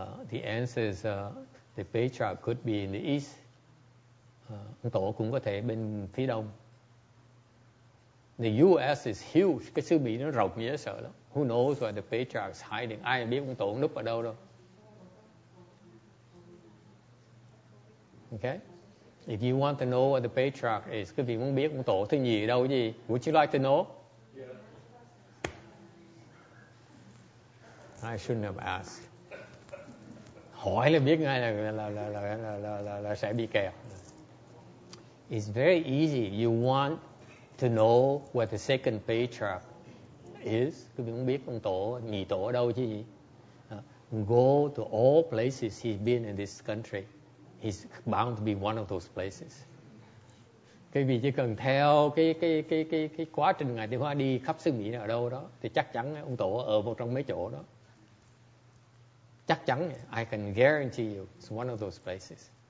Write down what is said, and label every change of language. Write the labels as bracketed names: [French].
[English] The answer is the patriarch could be in the east. [Vietnamese] Ông tổ cũng có thể bên phía đông. [English] The U.S. is huge. [Vietnamese] Cái xứ Mỹ nó rộng dễ sợ lắm. [English] Who knows where the patriarch is hiding? [Vietnamese] Ai biết ông tổ núp ở đâu đâu. [English] Okay? If you want to know where the patriarch is, [Vietnamese] quý vị muốn biết ông tổ thứ nhì ở đâu gì? [English] Would you like to know? Yeah. I shouldn't have asked. [Vietnamese] Hỏi là biết ngay là sẽ bị kẹt. [English] It's very easy. You want to know where the second patriarch is. [Vietnamese] Quý vị muốn biết ông tổ nhì tổ ở đâu chứ gì? [English] Go to all places he's been in this country. He's bound to be one of those places. [Vietnamese] Quý vị chỉ cần theo cái quá trình ngài Tiểu Hoa đi khắp xứ Mỹ ở đâu đó thì chắc chắn ông tổ ở một trong mấy chỗ đó. Chắc chắn, [English] I can guarantee you, it's one of those places.